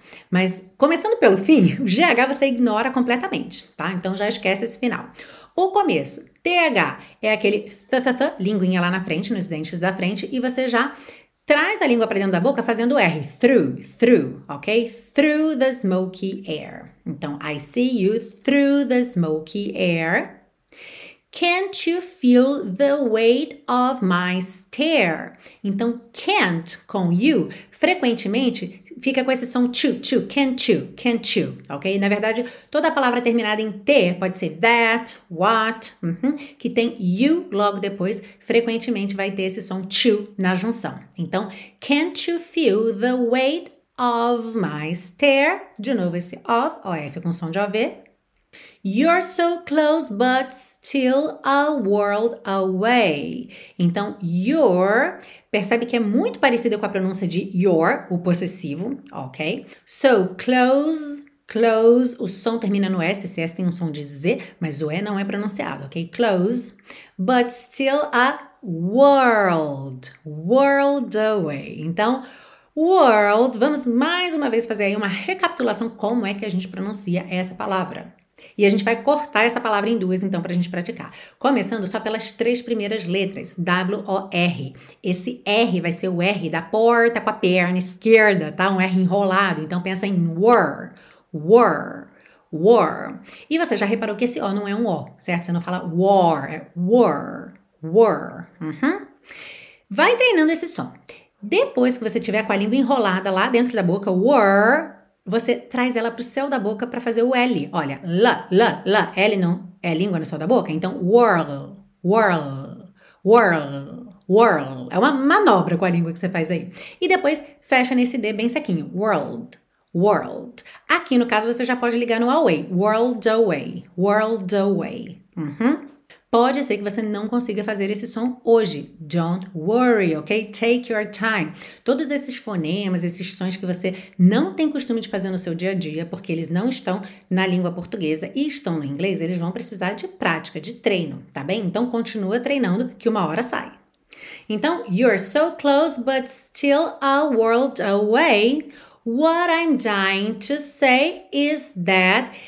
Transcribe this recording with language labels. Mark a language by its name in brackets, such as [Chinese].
[Portuguese] Mas começando pelo fim, o GH você ignora completamente, tá? Então já esquece esse final. O começo, TH, é aquele th, linguinha lá na frente, nos dentes da frente, e você já traz a língua para dentro da boca fazendo R, through, ok? [English] Through the smoky air. Então, I see you through the smoky air. Can't you feel the weight of my stare? [Portuguese] Então, can't com you, frequentemente fica com esse som to, [English] can't you, [Portuguese] ok? Na verdade, toda palavra terminada em T pode ser that, what, que tem you logo depois, frequentemente vai ter esse som to na junção. [English] Então, can't you feel the weight of my stare? [Portuguese] De novo, esse of, OF com som de OV. [English] You're so close, but still a world away. [Portuguese] Então, you're, percebe que é muito parecida com a pronúncia de your, o possessivo, ok? [English] So close, [Portuguese] close, o som termina no S, esse S tem um som de Z, mas o E não é pronunciado, ok? [English] Close, but still a world away. [Portuguese] Então, world, vamos mais uma vez fazer aí uma recapitulação como é que a gente pronuncia essa palavra. E a gente vai cortar essa palavra em duas, então, para a gente praticar. Começando só pelas três primeiras letras, WOR. Esse R vai ser o R da porta com a perna esquerda, tá? Um R enrolado. Então, pensa em were, were, were. E você já reparou que esse O não é um O, certo? Você não fala war, é were, were. Vai treinando esse som. Depois que você tiver com a língua enrolada lá dentro da boca, were, você traz ela para o céu da boca para fazer o L. Olha, L, L não é língua no céu da boca? Então, whirl, whirl, whirl, whirl. É uma manobra com a língua que você faz aí. E depois, fecha nesse D bem sequinho. [English] World, world. [Portuguese] Aqui, no caso, você já pode ligar no away. [English] World away, world away. [Portuguese] Pode ser que você não consiga fazer esse som hoje. [English] Don't worry, ok? Take your time. [Portuguese] Todos esses fonemas, esses sons que você não tem costume de fazer no seu dia a dia, porque eles não estão na língua portuguesa e estão no inglês, eles vão precisar de prática, de treino, tá bem? Então, continua treinando, que uma hora sai. [English] Então, you're so close, but still a world away. What I'm dying to say is that.